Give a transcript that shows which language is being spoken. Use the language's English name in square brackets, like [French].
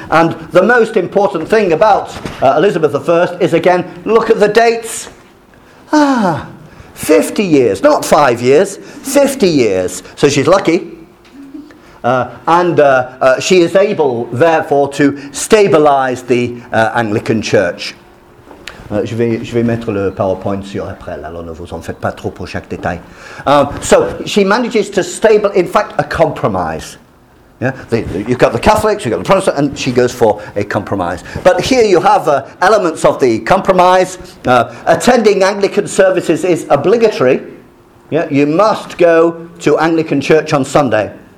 [English] And the most important thing about Elizabeth I is, again, look at the dates. 50 years, not 5 years, 50 years. So she's lucky. She is able, therefore, to stabilize the Anglican Church. [French] Je vais mettre le PowerPoint sur après, alors ne vous en faites pas trop pour chaque détail. [English] So she manages to stable, in fact, a compromise. Yeah, you've got the Catholics, you've got the Protestants, and she goes for a compromise. But here you have elements of the compromise. Attending Anglican services is obligatory. Yeah, you must go to Anglican Church on Sunday.